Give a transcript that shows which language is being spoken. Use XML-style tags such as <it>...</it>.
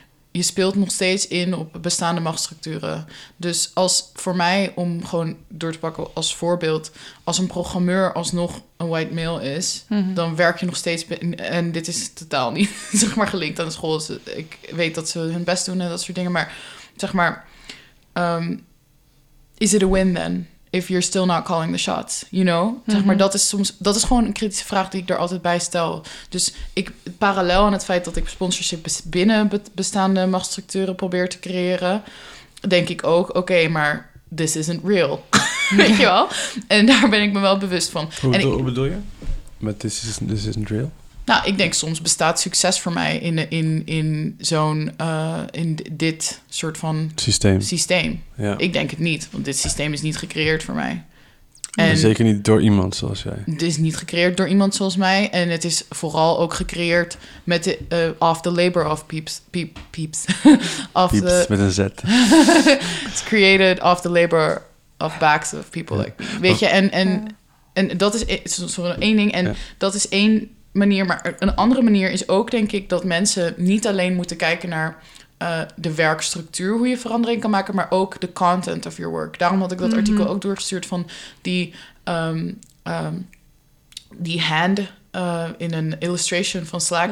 <nl>Je speelt nog steeds in op bestaande machtsstructuren. Dus als voor mij, om gewoon door te pakken als voorbeeld... als een programmeur alsnog een</nl> <en>white male</en> <nl>is... dan werk je nog steeds... en dit is totaal niet zeg maar gelinkt aan de school. Dus ik weet dat ze hun best doen en dat soort dingen. Maar zeg maar...</nl> <en>is it a win then? If you're still not calling the shots, you know?</en> <nl>Zeg maar, dat is gewoon een kritische vraag die ik er altijd bij stel. Dus ik parallel aan het feit dat ik sponsorship binnen bestaande machtsstructuren probeer te creëren, denk ik ook, oké, maar</nl> <en>this isn't real.</en> <nl>Weet je wel? En daar ben ik me wel bewust van. Hoe bedoel je? Met</nl> <en>this isn't real?</en> <nl>Nou, ik denk soms bestaat succes voor mij in zo'n in dit soort van systeem. Ja. Ik denk het niet, want dit systeem is niet gecreëerd voor mij. En zeker niet door iemand zoals jij. Het is niet gecreëerd door iemand zoals mij. En het is vooral ook gecreëerd met de</nl> <en>of the labor of peeps.</en> <nl>Met een Z.</nl> <en>It's created of the labor of backs of people.</en> <nl>Ja. Like, weet je, en dat is zo'n één ding. En dat is één... manier, maar een andere manier is ook denk ik dat mensen niet alleen moeten kijken naar de werkstructuur, hoe je verandering kan maken, maar ook de</nl> <en>content of your work.</en> <nl>Daarom had ik dat artikel ook doorgestuurd van die die hand in een illustration van Slack.</nl>